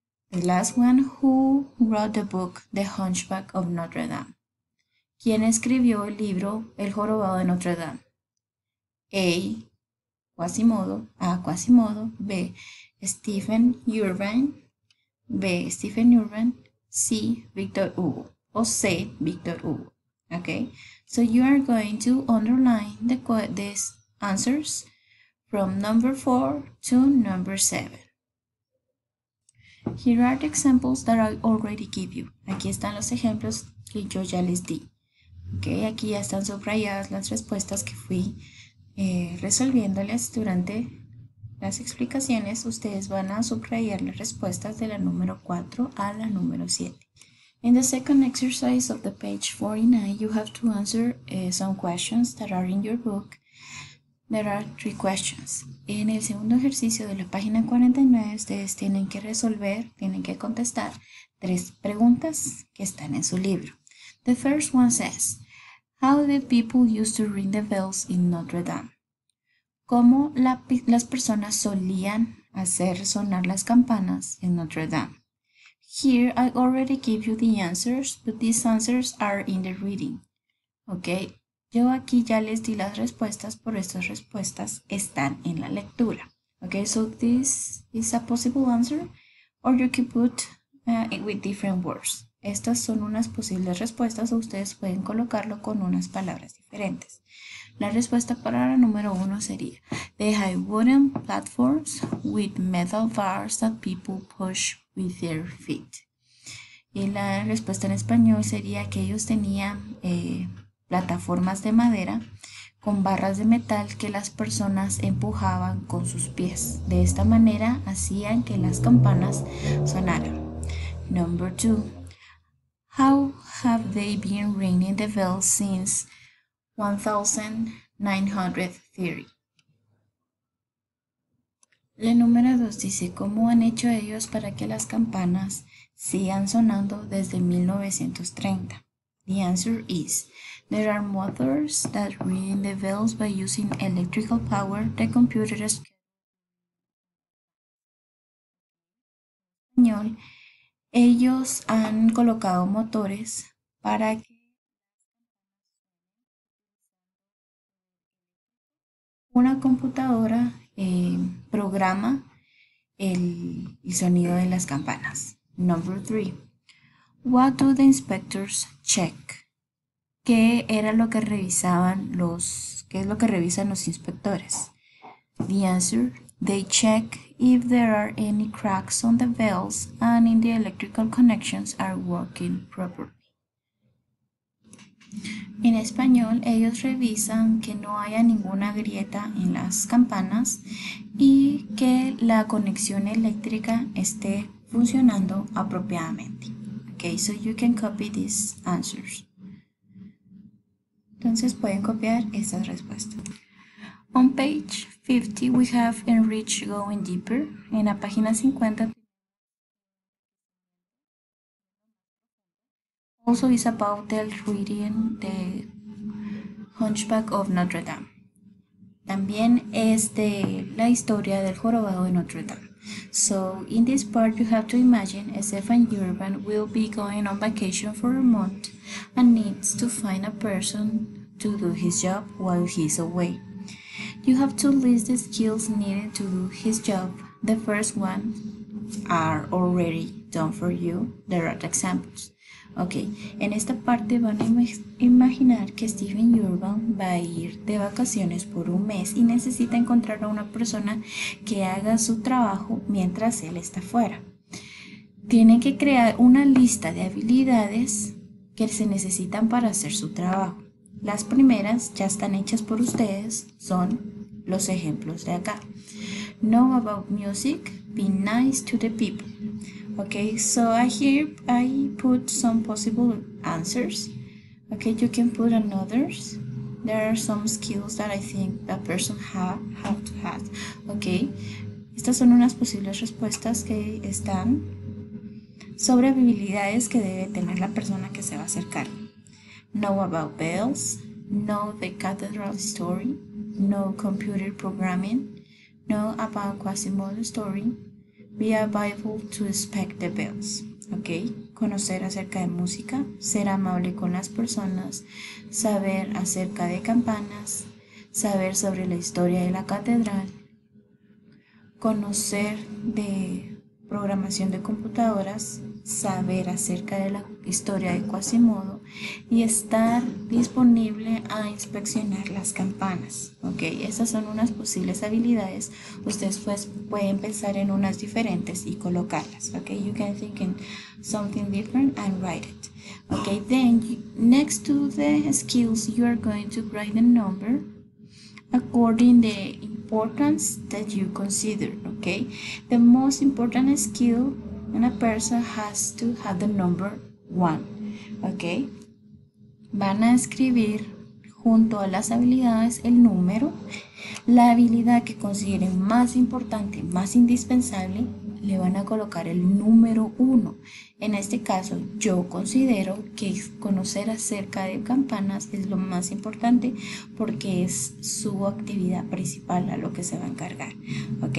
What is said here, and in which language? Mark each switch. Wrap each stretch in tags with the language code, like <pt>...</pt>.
<en>The last one, who wrote the book The Hunchback of Notre Dame?</en> <es>¿Quién escribió el libro El Jorobado de Notre Dame?</es> <en>A, Quasimodo, A, Quasimodo. B, Stephen Urban. B. Stephen Urban. C. Victor Hugo. O C. Victor Hugo. Okay. So you are going to underline the these answers from number 4 to number 7. Here are the examples that I already give you.</en> <es>Aquí están los ejemplos que yo ya les di. Okay. Aquí ya están subrayadas las respuestas que fui resolviéndoles durante las explicaciones. Ustedes van a subrayar las respuestas de la número 4 a la número 7.</es> <en>In the second exercise of the page 49, you have to answer some questions that are in your book. There are 3 questions.</en> <es>En el segundo ejercicio de la página 49, ustedes tienen que contestar 3 preguntas que están en su libro.</es> <en>The first one says, how did people used to ring the bells in Notre Dame?</en> <es>¿Cómo las personas solían hacer sonar las campanas en Notre Dame?</es> <en>Here, I already gave you the answers, but these answers are in the reading.</en> <es>Ok, yo aquí ya les di las respuestas, pero estas respuestas están en la lectura.</es> <en>Ok, so this is a possible answer, or you can put it with different words.</en> <es>Estas son unas posibles respuestas, o ustedes pueden colocarlo con unas palabras diferentes. La respuesta para la número uno sería:</es> <en>They have wooden platforms with metal bars that people push with their feet.</en> <es>Y la respuesta en español sería que ellos tenían plataformas de madera con barras de metal que las personas empujaban con sus pies. De esta manera hacían que las campanas sonaran.</es> <en>Number two. How have they been ringing the bells since 1930?</en> <es>La número 2 dice, ¿cómo han hecho ellos para que las campanas sigan sonando desde 1930?</es> <en>The answer is, there are motors that ring the bells by using electrical power the computer español.</en> <es>Ellos han colocado motores para que una computadora programa el sonido de las campanas.</es> <en>Number three. What do the inspectors check?</en> <es>¿Qué era lo que revisaban los, qué es lo que revisan los inspectores?</es> <en>The answer, they check if there are any cracks on the bells and if the electrical connections are working properly.</en> <es>En español, ellos revisan que no haya ninguna grieta en las campanas y que la conexión eléctrica esté funcionando apropiadamente.</es> <en>Okay, so you can copy these answers.</en> <es>Entonces pueden copiar estas respuestas.</es> <en>On page 50, we have Enrich Going Deeper.</en> <es>En la página 50,</es> <en>also is about the reading the Hunchback of Notre Dame.</en> <es>También es de la historia del jorobado de Notre Dame.</es> <en>So in this part you have to imagine Stefan Urban will be going on vacation for a month and needs to find a person to do his job while he's away. You have to list the skills needed to do his job. The first one are already done for you. There are examples.</en> <es>Ok, en esta parte van a imaginar que Stephen Urban va a ir de vacaciones por un mes y necesita encontrar a una persona que haga su trabajo mientras él está fuera. Tienen que crear una lista de habilidades que se necesitan para hacer su trabajo. Las primeras ya están hechas por ustedes, son los ejemplos de acá.</es> <en>Know about music, be nice to the people. Okay, so I put some possible answers. Okay, you can put another. There are some skills that I think that person have to have.</en> <es>Okay, estas son unas posibles respuestas que están sobre habilidades que debe tener la persona que se va a acercar.</es> <en>Know about bells. Know the cathedral story. Know computer programming. Know about Quasimodo story. Be a Bible to expect the bells. Ok.</en> <es>Conocer acerca de música. Ser amable con las personas. Saber acerca de campanas. Saber sobre la historia de la catedral. Conocer de programación de computadoras. Saber acerca de la historia de Quasimodo. Y estar disponible a inspeccionar las campanas. Ok, esas son unas posibles habilidades. Ustedes pues pueden pensar en unas diferentes y colocarlas.</es> <en>Ok, you can think in something different and write it. Ok, then next to the skills, you are going to write the number according the importance that you consider. Ok, the most important skill in a person has to have the number one. Ok.</en> <es>Van a escribir junto a las habilidades el número, la habilidad que consideren más importante, más indispensable, le van a colocar el número 1. En este caso, yo considero que conocer acerca de campanas es lo más importante porque es su actividad principal a lo que se va a encargar. ¿Ok?</es>